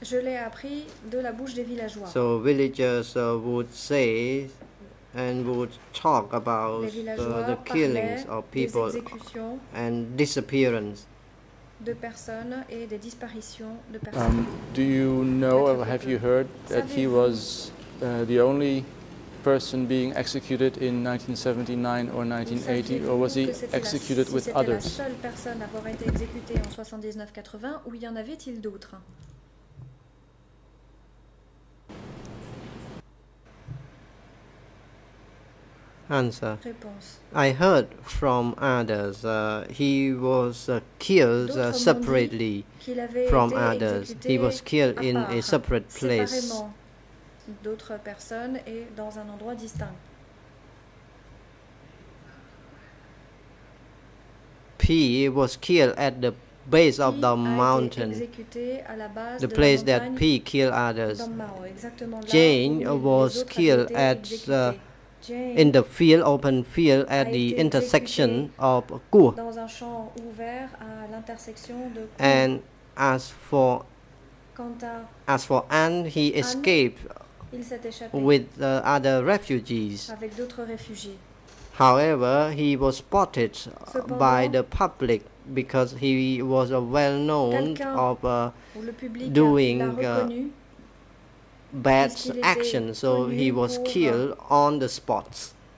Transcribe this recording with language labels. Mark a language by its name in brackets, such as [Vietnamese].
[French] Je l'ai appris de la bouche des villageois. [English] So villagers would say and would talk about the killings of people and disappearance. [French] De personnes et des disparitions de personnes. [English] Do you know or have you heard that he was the only person being executed in 1979 or 1980, or was he executed with others? [French] La seule personne à avoir été exécutée en 79-80, ou y en avait-il d'autres? [English] Answer. answer. I heard from others he was killed separately from others. He was killed in a separate place. [French] D'autres personnes et dans un endroit distinct. [English] P was killed at the base of the mountain, the place that P killed others. Jane was killed at in the field, open field, at the intersection of Kou. [French] Dans un champ ouvert à l'intersection de Kou. [English] And as for Anne, he escaped with other refugees. [French] Avec d'autres réfugiés. [English] However, he was spotted by the public because he was well known of doing bad action, so he was killed on the spot.